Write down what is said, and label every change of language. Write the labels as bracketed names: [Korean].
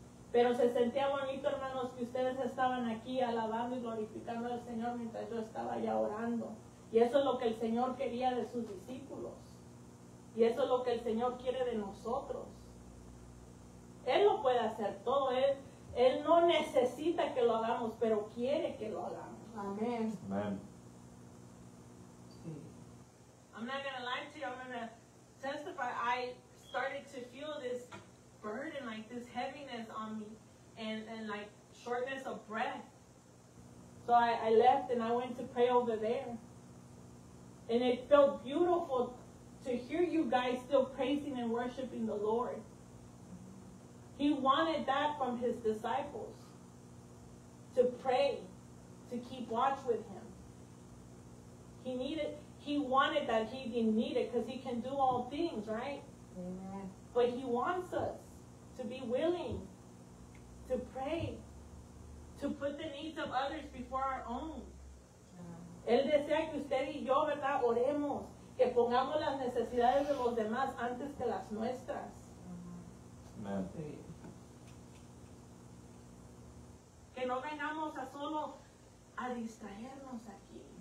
[Spanish] Pero se sentía bonito, hermanos, que ustedes estaban aquí alabando y glorificando al Señor mientras yo estaba allá orando. Y eso es lo que el Señor quería de sus discípulos. Y eso es lo que el Señor quiere de nosotros. Él lo puede hacer todo. Él no necesita que lo hagamos, pero quiere que lo hagamos. Amén. Amén. [English] I'm not going to lie to you, I'm going to testify, I started to feel this burden, like this heaviness on me, and like shortness of breath. So I left and I went to pray over there. And it felt beautiful to hear you guys still praising and worshiping the Lord. He wanted that from his disciples, to pray, to keep watch with him. He wanted that. He didn't need it because he can do all things, right? Amen. But he wants us to be willing to pray, to put the needs of others before our own. [Spanish] Él desea que usted y yo, ¿verdad?, oremos, que pongamos las necesidades de los demás antes que las nuestras. Amen. Que no vengamos a solo a distraernos aquí.